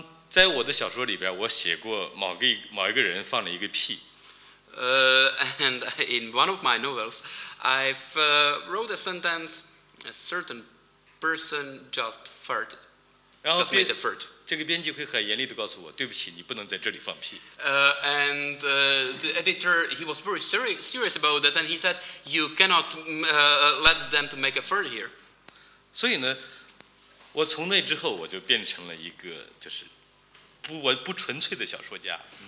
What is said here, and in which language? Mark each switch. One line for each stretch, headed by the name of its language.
Chinese: 在我的小说里边, 我写过某一个人放了一个屁。
English: And in one of my novels, I've wrote a sentence, a certain person just farted, just made a fart.
Chinese: 这个编辑会很严厉地告诉我, 对不起, 你不能在这里放屁。
English: And the editor, he was very serious about that, and he said, you cannot let them to make a fart here.
Chinese: 所以呢, 我从那之后, 我就变成了一个, 就是, 不, 我不纯粹的小说家。